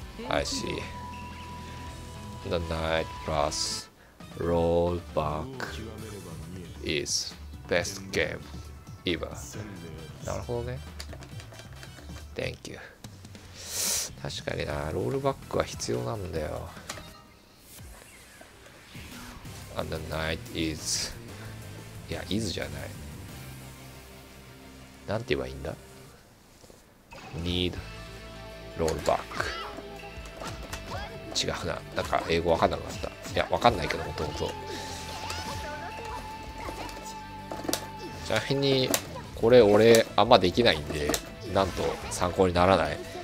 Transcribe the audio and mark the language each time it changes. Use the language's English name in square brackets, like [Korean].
[English] I see。 The knight plus roll back is best game ever。 [Japanese] なるほどね。 [English] Thank you。 [Japanese] 確かにな、ロールバックは必要なんだよ。 [English] And the knight is、 [Japanese] いや、 [English] is [Japanese] じゃない。なんて言えばいいんだ。 [English] Need roll back。 [Japanese] 違うな、なんか英語わかんなくなった。いや、わかんないけど、もともと。ちなみに、これ俺あんまできないんで、なんと参考にならない。